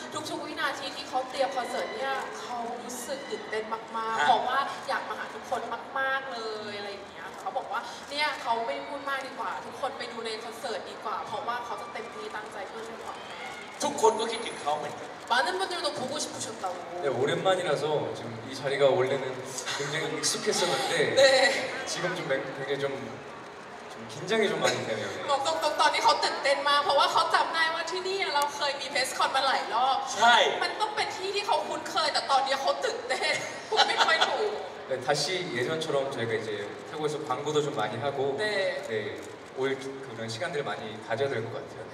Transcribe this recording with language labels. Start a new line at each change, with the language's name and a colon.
Thai: ทุกๆวินาทีที่เขาเตรียมคอนเสิร์ตเนี่ยเขารู้สึกตื่นเต้นมากๆบอกว่าอยากมาหาทุกคนมากๆเลยอะไรเงี้ยเขาบอกว่าเนี่ยเขาไม่พูดมากดีกว่าทุกคนไปดูในคอนเสิร์ตดีกว่าเพราะว่าเขาจะเต็มที่ตั้งใจเพื่อความแ น่ทุกคนก็คิดถึงเขาเหมือนกัน
Korean: 많은 분들도 보고 싶으셨다고 네 오랜만이라서 지금 이 자리가 원래는 굉장히 익숙했었는데 네 지금 좀 되게 좀긴장이좀많이되네요
Thai: บอกตรงๆตอนนี้เขาตื่นเต้นมากเพราะว่าเขาจำได้ว่าที่นี่เราเคยมีเฟสคอนมาหลายรอบ ใช่ มันต้องเป็นที่ที่เขาคุ้นเคยแต่ตอนนี้เขาตื่นเต้นพูดไม่ค่อยถูก
Korean: 네다시예전처럼저희가이제태국에서광고도좀많이하고 네, 네올그런시간들을많이가져야될것같아요